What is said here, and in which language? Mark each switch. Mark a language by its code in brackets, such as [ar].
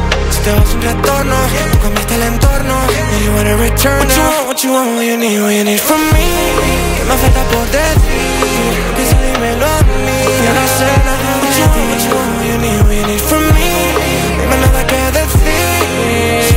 [es] Si te vas un retorno, tú cambiaste el entorno. [en] And you wanna return now. What you want, what you need from me. [es] Que me falta por decir, piensa dímelo a mí. Yo no sé nada de ti. [en] What you want, what you need from me. [es] Dime nada que decir.